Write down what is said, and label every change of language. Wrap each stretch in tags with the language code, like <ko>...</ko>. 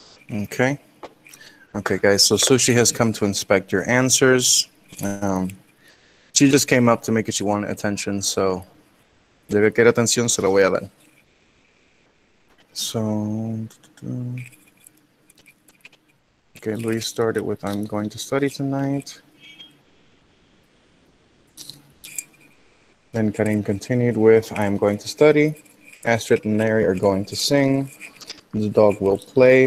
<en>Okay. Okay, guys. So Sushi has come to inspect your answers. She just came up to make it. She wanted attention.</en> <es>So, debe querer atención, se lo voy a dar.</es> <en>So, okay, Luis started with I'm going to study tonight. Then Karin continued with I'm going to study. Astrid and Mary are going to sing. The dog will play.</en>